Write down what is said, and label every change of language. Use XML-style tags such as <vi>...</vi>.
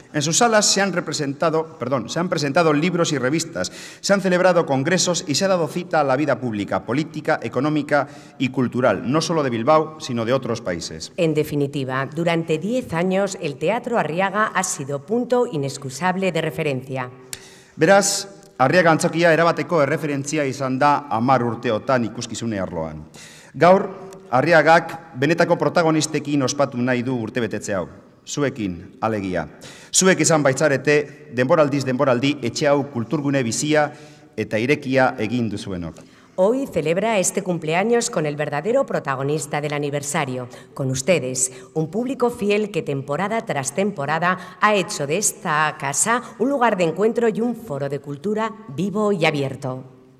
<es>En sus salas se han presentado libros y revistas, se han celebrado congresos y se ha dado cita a la vida pública, política, económica y cultural, no solo de Bilbao, sino de otros países. En definitiva, durante 10 años el Teatro Arriaga ha sido punto inexcusable de referencia. Verás,</es> <eu>Arriaga antzokia erabateko erreferentzia izan da 10 urteotan ikuskizune arloan. Gaur, Arriagak benetako protagonistekin ospatu nahi du urtebetetze hau. Zuekin, alegia. Zuek izan baitzarete, denboraldiz denboraldi, etxe hau kulturgune bizia eta irekia egin duzuenok.</eu> <es>Hoy celebra este cumpleaños con el verdadero protagonista del aniversario, con ustedes, un público fiel que temporada tras temporada ha hecho de esta casa un lugar de encuentro y un foro de cultura vivo y abierto.</es>